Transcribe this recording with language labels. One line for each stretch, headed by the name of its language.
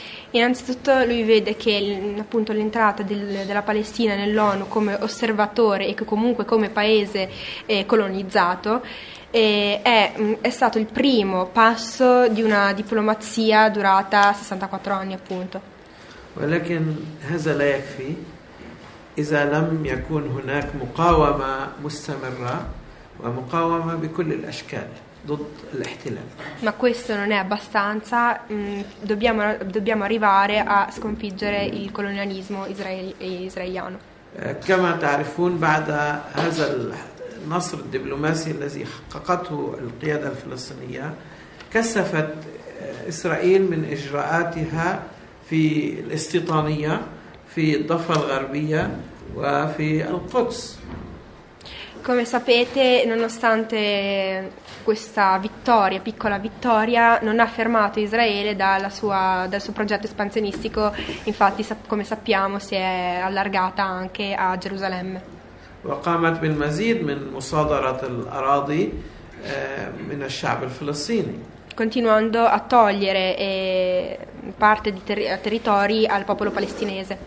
Italian: Innanzitutto lui vede che appunto l'entrata della Palestina nell'ONU come osservatore e che comunque come paese colonizzato è stato il primo passo di una diplomazia durata 64 anni appunto.
Arabic: ولكن هذا لا يكفي إذا لم يكن هناك مقاومة مستمرة ومقاومة بكل الأشكال ضد الاحتلال.
Italian: Ma questo non è abbastanza, dobbiamo arrivare a sconfiggere il colonialismo israeliano.
Arabic: كما تعرفون بعد هذا النصر الدبلوماسي الذي حققته القيادة الفلسطينية كثفت إسرائيل من إجراءاتها في الاستيطانية في الضفة الغربية وفي القدس.
Italian: Come sapete, nonostante questa vittoria, piccola vittoria, non ha fermato Israele dal suo progetto espansionistico, infatti, come sappiamo, si è allargata anche a Gerusalemme.
Arabic: وقامت بالمزيد من مصادرة الأراضي من الشعب الفلسطيني.
Italian: Continuando a togliere parte di territori al popolo palestinese.